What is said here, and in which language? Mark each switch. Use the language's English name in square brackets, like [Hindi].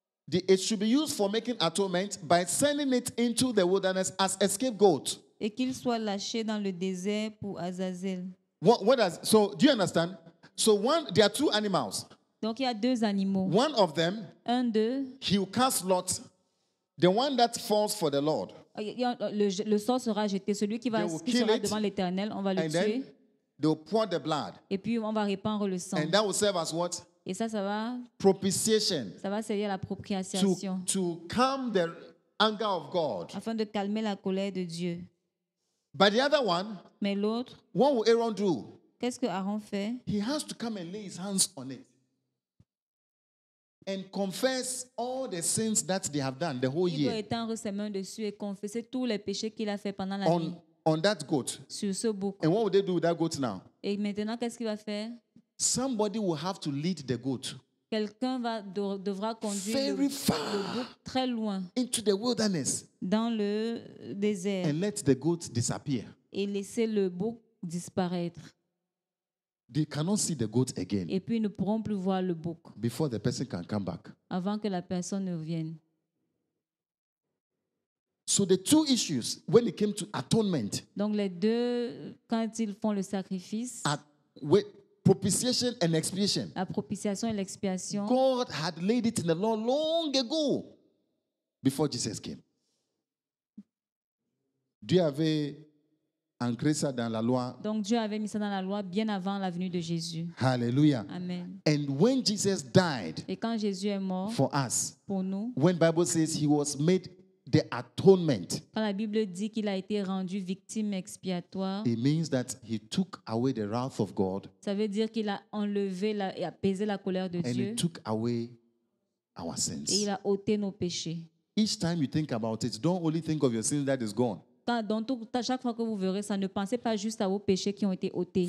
[English] It should be used for making atonement by sending it into the wilderness as a scapegoat. [French] Et qu'il soit lâché dans le désert pour Azazel. [English] Do you understand? So one, there are two animals. [French] Donc il y a deux animaux. [English] One of them, he will cast lots. The one that falls for the Lord. [French] Le sort sera jeté. Celui qui va sera devant l'Éternel, on va le tuer. [English] They will pour the blood. [French] Et puis on va répandre le sang. [English] And that will serve as what? [French] Et ça va. [English] Propitiation. [French] Ça va servir à la propitiation. [English] To calm the anger of God. [French] Afin de calmer la colère de Dieu. [English] But the other one. [French] Mais l'autre. [English] What will Aaron do? [French] Qu'est-ce que Aaron fait? [English] He has to come and lay his hands on it. And confess all the sins that they have done the whole year. [French] Il doit étendre ses mains dessus et confesser tous les péchés qu'il a fait pendant la nuit. [English] On that goat. [French] Sur ce bouc. [English] And what will they do with that goat now? [French] Et maintenant, qu'est-ce qu'il va faire? [English] Somebody will have to lead the goat. [French] Quelqu'un devra conduire le bouc très loin. [English] Into the wilderness. [French] Dans le désert. [English] And let the goat disappear. [French] Et laisser le bouc disparaître. [English] They cannot see the goat again. [French] Et puis ils ne pourront plus voir le bouc. [English] Before the person can come back. [French] Avant que la personne ne revienne. [English] So the two issues when it came to atonement. [French] Donc les deux quand ils font le sacrifice. [English] Propitiation and expiation. [French] La propitiation et l'expiation. [English] God had laid it in the law long ago, before Jesus came. [French] Dieu avait ancré ça dans la loi. Donc Dieu avait mis ça dans la loi bien avant la venue de Jésus. [English] Hallelujah. [French] Amen. [English] And when Jesus died. [French] Et quand Jésus est mort. [English] For us. [French] Pour nous. [English] When Bible says he was made. The atonement. [French] Quand la Bible dit qu'il a été rendu victime expiatoire, it means that he took away the wrath of God. Ça veut dire qu'il a enlevé et apaisé la colère de [English] and [French] Dieu. [English] And he took away our sins. [French] Et il a ôté nos péchés. [English] Each time you think about it, don't only think of your sins that is gone. [French] À chaque fois que vous verrez ça, ne pensez pas juste à vos péchés qui ont été ôtés.